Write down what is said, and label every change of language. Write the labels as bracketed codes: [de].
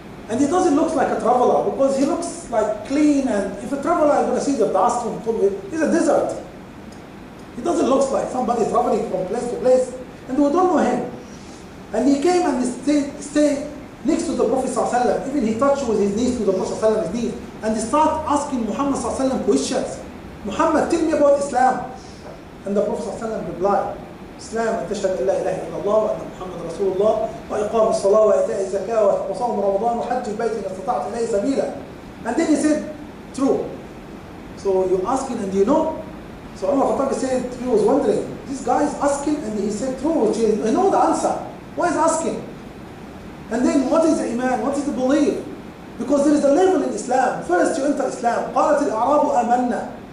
[en] And he doesn't look like a traveler because he looks like clean, and if a traveler is going to see the dust from Tumbi, it's a desert. He doesn't look like somebody traveling from place to place, and we don't know him. And he came and stayed next to the Prophet sallallahu alayhi wa sallam. Even he touched with his knees to the Prophet sallallahu alayhi wa sallam's knees, and he started asking Muhammad sallallahu alayhi wa sallam questions. Muhammad, tell me about Islam. And the Prophet sallallahu alayhi wa sallam replied, Islam, and [ar] تشهد الله إله إلا الله وأن محمد رسول الله وإقام الصلاة وإيتاء الزكاة وصوم رمضان وحج البيت إن استطعت إليه سبيلا. [en] And then he said, true. So you asking and you know. So Umar Khattab said, he was wondering, this guy is asking and he said true, which is, I know the answer. Why is asking? And then what is Iman? What is the belief? Because there is a level in Islam. First you enter Islam. [ar] قالت الأعراب آمنا.